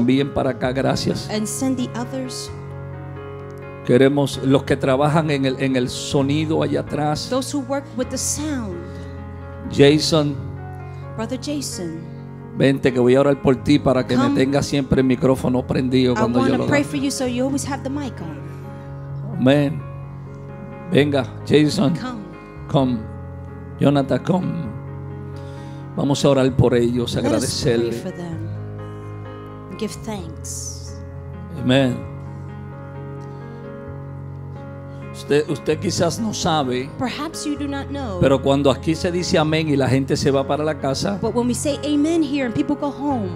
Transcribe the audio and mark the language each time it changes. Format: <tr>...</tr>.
<es>Envíen para acá, gracias.</es> <en>And send the others.</en> <es>Queremos los que trabajan en el sonido allá atrás.</es> <en>Those who work with the sound. Jason. Brother Jason.</en> <es>Vente que voy a orar por ti para que</es> <en>come.</en> <es>Me tenga siempre el micrófono prendido cuando</es> <en>I</en> <es>yo lo</es> <en>pray for you so you always have the mic on.</en> <es>Amen. Venga, Jason.</es> <en>Come. Jonathan, come.</en> <es>Vamos a orar por ellos, agradecerle.</es> <en>Give thanks. Amen.</en> <es>Usted quizás no sabe,</es> <en>perhaps you do not know,</en> <es>pero cuando aquí se dice amén y la gente se va para la casa,</es> <en>but when we say amen here and people go home,</en>